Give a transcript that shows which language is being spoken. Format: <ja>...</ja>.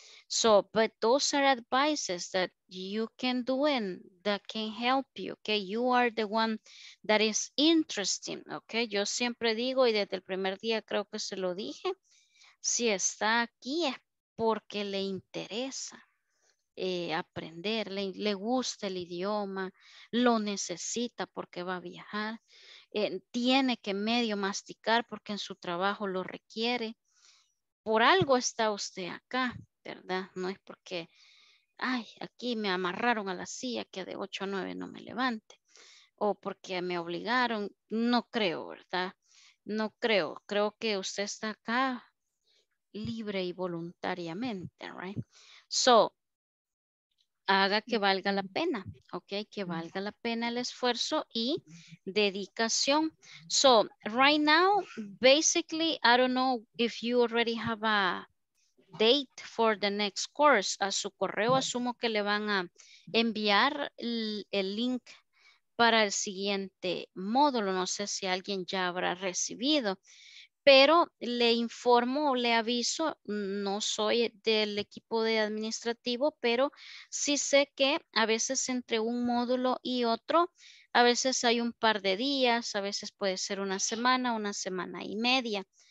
<en>So, but those are advices that you can do and that can help you, okay? You are the one that is interesting, okay?</en> <es>Yo siempre digo, y desde el primer día creo que se lo dije, si está aquí es porque le interesa aprender, le gusta el idioma, lo necesita porque va a viajar, tiene que medio masticar porque en su trabajo lo requiere. Por algo está usted acá. ¿verdad? No es porque, ay, aquí me amarraron a la silla que de 8 a 9 no me levante. O porque me obligaron, no creo, ¿verdad? No creo, creo que usted está acá libre y voluntariamente, right? So, haga que valga la pena, ok, que valga la pena el esfuerzo y dedicación.</es> <en>So, right now, basically, I don't know if you already have a date for the next course.</en> <es>A su correo asumo que le van a enviar el link para el siguiente módulo. No sé si alguien ya habrá recibido. Pero le informo, le aviso, no soy del equipo de administrativo, pero sí sé que a veces entre un módulo y otro, a veces hay un par de días, a veces puede ser una semana y media.</es>